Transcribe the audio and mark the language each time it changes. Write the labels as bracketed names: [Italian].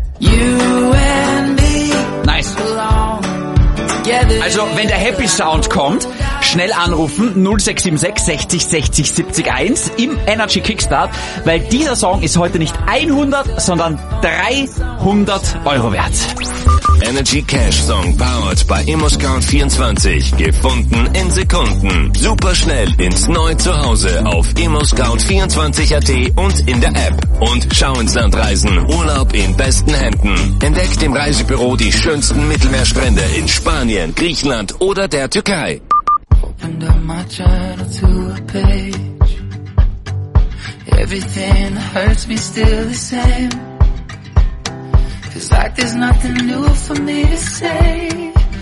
[English] You and me, nice. Belong together. [German] Also, wenn der Happy Sound kommt, schnell anrufen 0676 60 60 70 1 im Energy Kickstart, weil dieser Song ist heute nicht 100, sondern 300 Euro wert. Energy Cash Song powered by ImmoScout24. Gefunden in Sekunden. Superschnell ins neue Zuhause auf ImmoScout24.at und in der App. Und schau ins Land reisen. Urlaub in besten Händen. Entdeckt im Reisebüro die schönsten Mittelmeerstrände in Spanien, Griechenland oder der Türkei. [English] Under my journal to a page, everything that hurts me still the same. Feels like there's nothing new for me to say.